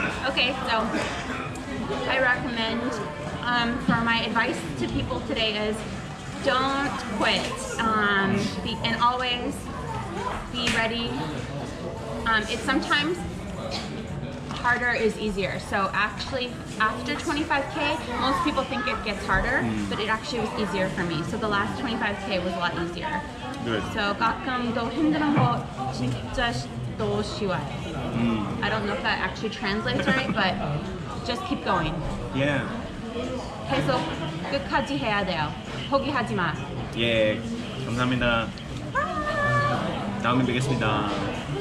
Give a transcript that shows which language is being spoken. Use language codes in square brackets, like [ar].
[en] Okay, so I recommend for my advice to people today is don't quit and always be ready. It's sometimes harder is easier. So actually after 25k, most people think it gets harder, but it actually was easier for me. So the last 25k was a lot easier. Good. [ko] So 가끔도 힘든 거 진짜도 쉬워. [en] I don't know if that actually translates right, but just keep going. Yeah. [ko] 계속 끝까지 해야 돼요. 포기하지 마. 예, 감사합니다. 다음에 뵙겠습니다.